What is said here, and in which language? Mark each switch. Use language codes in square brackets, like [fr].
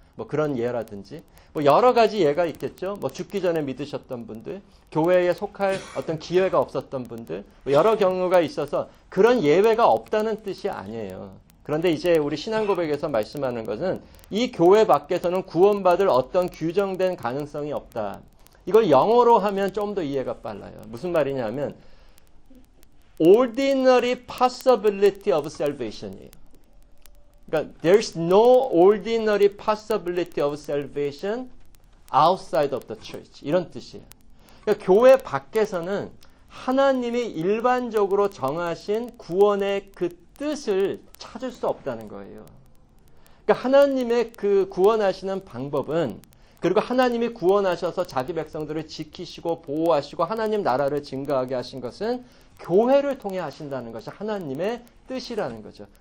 [ko] 뭐 그런 예라든지, 뭐 여러 가지 예가 있겠죠. 뭐 죽기 전에 믿으셨던 분들, 교회에 속할 어떤 기회가 없었던 분들, 뭐 여러 경우가 있어서 그런 예외가 없다는 뜻이 아니에요. 그런데 이제 우리 신앙 고백에서 말씀하는 것은 이 교회 밖에서는 구원받을 어떤 규정된 가능성이 없다. 이걸 영어로 하면 좀더 이해가 빨라요. 무슨 말이냐면, [en] ordinary possibility of salvation [ko] 이에요. 그러니까 [en] there's no ordinary possibility of salvation outside of the church. [ko] 이런 뜻이에요. 그러니까 교회 밖에서는 하나님이 일반적으로 정하신 구원의 그 뜻을 찾을 수 없다는 거예요. 그러니까 하나님의 그 구원하시는 방법은, 그리고 하나님이 구원하셔서 자기 백성들을 지키시고 보호하시고 하나님 나라를 증가하게 하신 것은 교회를 통해 하신다는 것이 하나님의 뜻이라는 거죠.